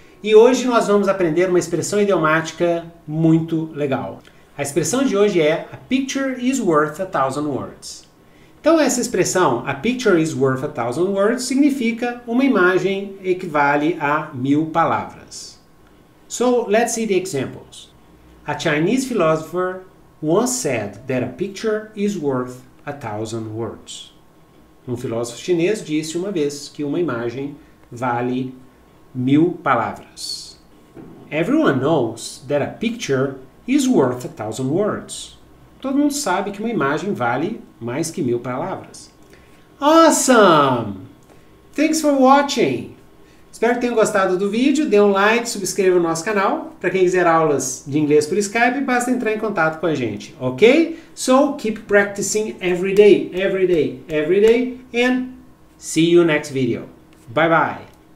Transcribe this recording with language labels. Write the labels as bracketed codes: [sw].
[pt] E hoje nós vamos aprender uma expressão idiomática muito legal. A expressão de hoje é [en] "A picture is worth a thousand words". [pt] Então, essa expressão, [en] a picture is worth a thousand words, [pt] significa uma imagem equivale a 1.000 palavras. [en] So, let's see the examples. A Chinese philosopher once said that a picture is worth a thousand words. [pt] Um filósofo chinês disse uma vez que uma imagem vale 1.000 palavras. [en] Everyone knows that a picture is worth a thousand words. [pt] Todo mundo sabe que uma imagem vale mais que 1.000 palavras. [en] Awesome! Thanks for watching! [pt] Espero que tenham gostado do vídeo. Dê um like, subscreva o nosso canal. Para quem quiser aulas de inglês por Skype, basta entrar em contato com a gente, ok? [en] So, keep practicing every day, every day, every day, and see you next video. Bye bye!